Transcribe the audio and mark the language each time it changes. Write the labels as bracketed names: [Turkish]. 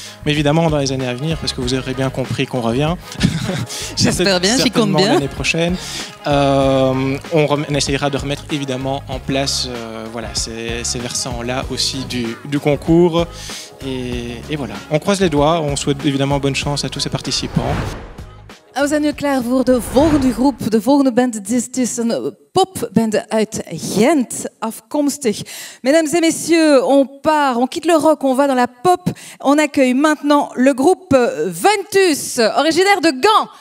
[French] Mais évidemment, dans les années à venir, parce que vous aurez bien compris qu'on revient. J'espère bien, j'y compte bien. L'année prochaine, on essayera de remettre évidemment en place ces versants-là aussi du concours. Et voilà, on croise les doigts, on souhaite évidemment bonne chance à tous ces participants. [Dutch] Ausanne klaar voor de volgende groep, de volgende band. Dit is een popband uit Gent, afkomstig. [French] Mesdames et messieurs, on part, on quitte le rock, on va dans la pop. On accueille maintenant le groupe Ventus, originaire de Gand.